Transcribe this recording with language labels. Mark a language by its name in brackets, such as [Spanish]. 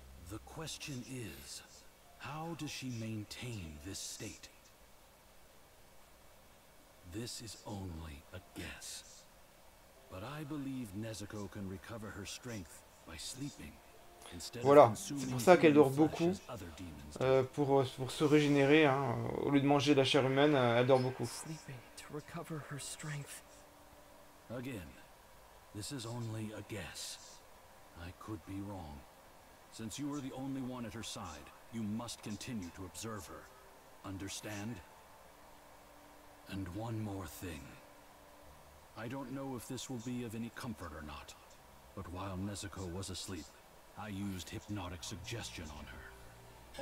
[English] The question is, how does she maintain this state? This is only a guess, but I believe Nezuko can recover her strength by sleeping instead of consuming flesh. [French] Voilà, c'est pour ça qu'elle dort beaucoup, pour se régénérer, hein, au lieu de manger de la chair humaine, elle dort beaucoup. [English] Recover her strength. Again, this is only a guess. I could be wrong. Since you are the only one at her side, you must continue to observe her. Understand? And one more thing. I don't know if this will be of any comfort or not, but while Nezuko was asleep, I used hypnotic suggestion on her.